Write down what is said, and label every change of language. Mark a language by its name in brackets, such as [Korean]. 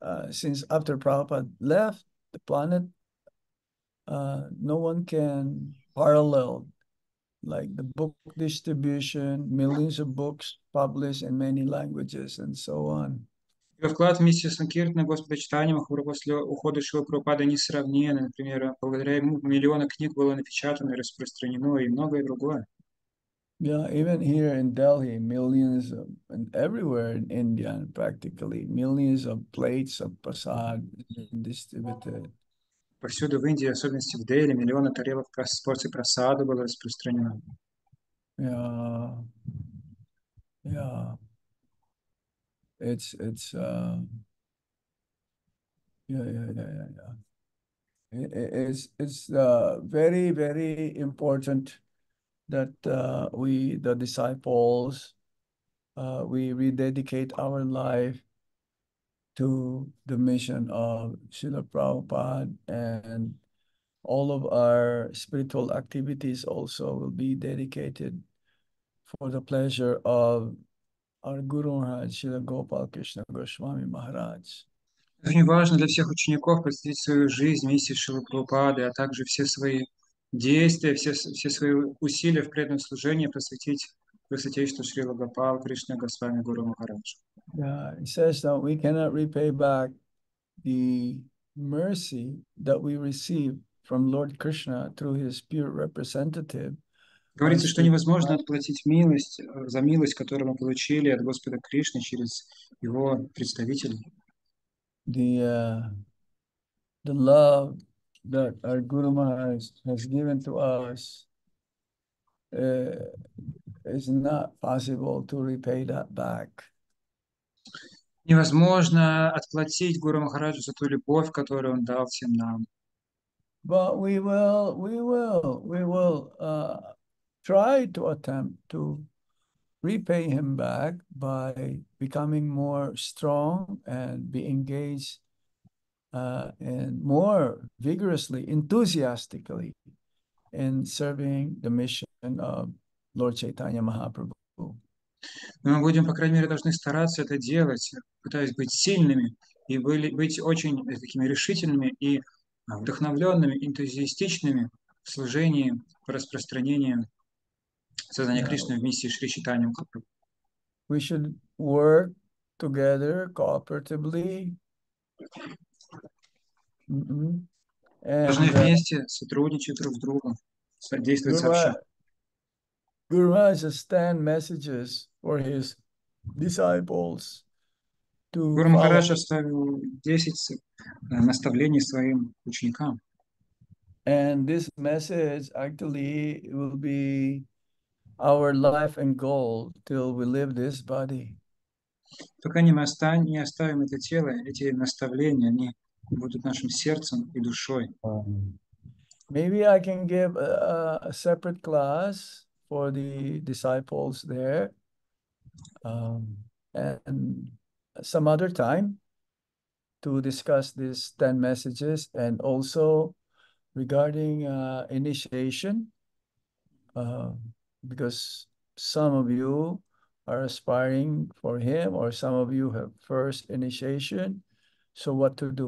[English] Since after Prabhupada left the planet, no one can parallel like the book distribution, millions of books published in many languages and so on. [Russian] Его вклад в миссию Санкиртана Господа Читания Махапрабху после ухода Шрилы Прабхупады несравнен. Например, благодаря ему миллионы книг было напечатано и распространено, и многое другое. [English] Yeah, even here in Delhi, millions of, and everywhere in India, practically millions of plates of prasad distributed. [Russian] Повсюду в Индии, особенности в Дели, миллионы тарелок с порцией прасада было распространено. [English] Yeah, yeah. It's very, very important that we, the disciples, we rededicate our life to the mission of Srila Prabhupada and All of our spiritual activities also will be dedicated for the pleasure of our Guru Maharaj, Srila Gopal Krishna Goswami Maharaj. [Russian] Очень важно для всех учеников посвятить свою жизнь миссии Шрилы Прабхупады, а также все свои действия, все свои усилия в преданном служении посвятить Высочайшему Шрилы Гопал Кришне Госвами Гуру Махараджу. [English] He says that we cannot repay back the mercy that we receive from Lord Krishna through his pure representative. [Russian] Говорится, что невозможно отплатить милость за милость, которую мы получили от Господа Кришны через его представителей. [English] The love that our Guru Maharaj has given to us is not possible to repay that back. [Russian] Невозможно отплатить Гуру Махараджу за ту любовь, которую он дал всем нам. [English] But we will try to attempt to repay him back by becoming more strong and be engaged and more vigorously, enthusiastically in serving the mission of Lord Chaitanya Mahaprabhu. [Russian] Мы будем, по крайней мере, должны стараться это делать, пытаясь быть сильными и быть очень такими решительными и вдохновленными, энтузиастичными в служении, в распространении сознания Кришны в миссии Шри Чайтанья Махапрабху. [English] We should work together cooperatively. [Russian] Должны вместе сотрудничать друг с другом, содействовать сообща. [English] Guru Maharaj has sent messages for his disciples to Guru follow. [Russian] Maharaj оставил 10 наставлений своим ученикам. [English] And this message actually will be our life and goal till we leave this body. [Russian] Пока не оставим это тело, эти наставления, они будут нашим сердцем и душой. [English] Maybe I can give a separate class for the disciples there, and some other time to discuss these 10 messages, and also regarding initiation, because some of you are aspiring for him, or some of you have first initiation. So what to do?